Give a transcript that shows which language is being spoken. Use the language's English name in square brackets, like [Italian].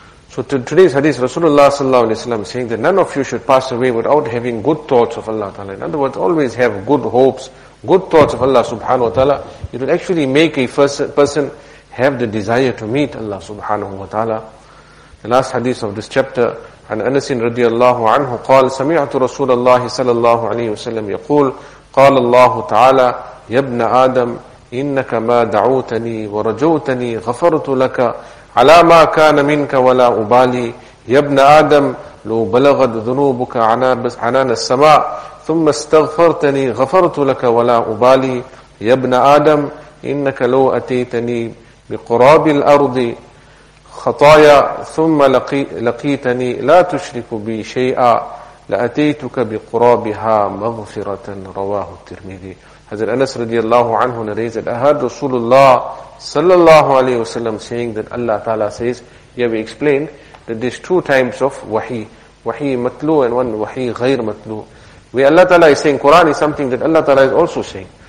[English] So today's hadith, Rasulullah sallallahu alayhi wa sallam saying that none of you should pass away without having good thoughts of Allah ta'ala. In other words, always have good hopes, good thoughts of Allah subhanahu wa ta'ala. It will actually make a person have the desire to meet Allah subhanahu wa ta'ala. The last hadith of this chapter, [Arabic] عن أنس رضي الله عنه قال سمعت رسول الله صلى الله عليه وسلم يقول قال الله تعالى يا ابن آدم إنك ما دعوتني ورجوتني غفرت لك على ما كان منك ولا أبالي يا ابن آدم لو بلغت ذنوبك عنان السماء ثم استغفرتني غفرت لك ولا أبالي يا ابن آدم إنك لو أتيتني بقراب الأرض خطايا ثم لقيتني لا تشرك بي شيئا لأتيتك بقرابها مغفرة رواه الترمذي. [English] Hazrat Anas radiallahu anhu narrates that I heard Rasulullah sallallahu alayhi wasallam saying that Allah ta'ala says, yeah, we explained that there's two types of wahi. Wahi matlu and one wahi ghair matlu. Where Allah ta'ala is saying, Quran is something that Allah ta'ala is also saying.